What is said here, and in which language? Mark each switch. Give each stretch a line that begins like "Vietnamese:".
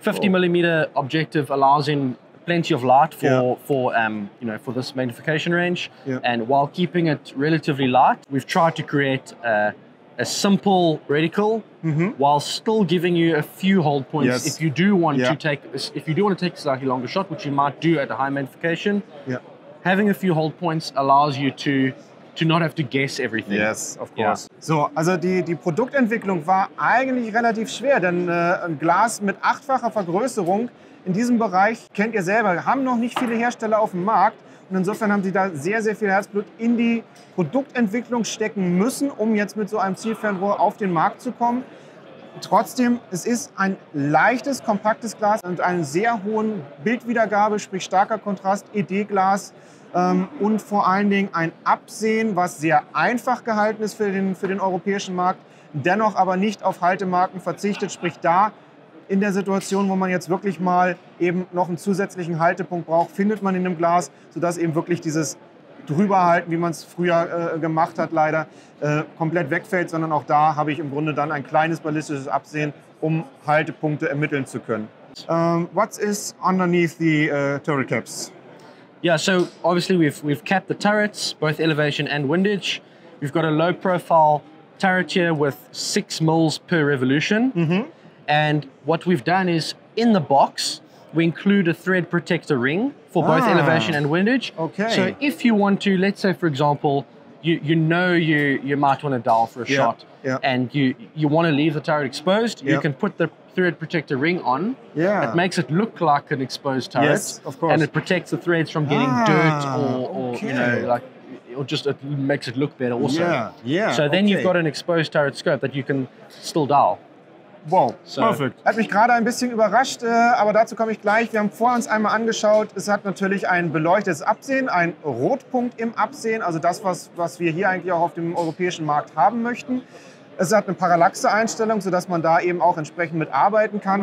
English: 50 millimeter objective allows in plenty of light for this magnification range, and while keeping it relatively light, we've tried to create a simple reticle while still giving you a few hold points if you do want to take a slightly longer shot, which you might do at a high magnification. Having a few hold points allows you to not have to guess everything. Yes, of course. Yeah.
German: So, also die Produktentwicklung war eigentlich relativ schwer, denn ein Glas mit achtfacher Vergrößerung in diesem Bereich, kennt ihr selber, haben noch nicht viele Hersteller auf dem Markt. Und insofern haben sie da sehr, sehr viel Herzblut in die Produktentwicklung stecken müssen, um jetzt mit so einem Zielfernrohr auf den Markt zu kommen. Trotzdem, es ist ein leichtes, kompaktes Glas mit einer sehr hohen Bildwiedergabe, sprich starker Kontrast, ED-Glas. Und vor allen Dingen ein Absehen, was sehr einfach gehalten ist für den europäischen Markt, dennoch aber nicht auf Haltemarken verzichtet, sprich da in der Situation, wo man jetzt wirklich mal eben noch einen zusätzlichen Haltepunkt braucht, findet man in dem Glas, sodass eben wirklich dieses Drüberhalten, wie man es früher gemacht hat, leider komplett wegfällt, sondern auch da habe ich im Grunde dann ein kleines ballistisches Absehen, um Haltepunkte ermitteln zu können.
English: What is underneath the turret caps? Yeah, so obviously we've capped the turrets, both elevation and windage. We've got a low profile turret here with 6 mils per revolution. And what we've done is, in the box, we include a thread protector ring for both elevation and windage. Okay. So if you want to, let's say for example, you know you might want to dial for a shot and you want to leave the turret exposed, you can put the thread protector ring on. Yeah. It makes it look like an exposed turret. Yes, of course. And it protects the threads from getting dirt or okay. you know, like, or just it makes it look better also. Yeah, yeah. So then you've got an exposed turret scope that you can still dial. Wow, so. Perfect.
German: Hat mich gerade ein bisschen überrascht, aber dazu komme ich gleich. Wir haben vor uns einmal angeschaut, es hat natürlich ein beleuchtetes Absehen, ein Rotpunkt im Absehen, also das, was wir hier eigentlich auch auf dem europäischen Markt haben möchten. Es hat eine Parallaxe-Einstellung, sodass man da eben auch entsprechend mit arbeiten kann.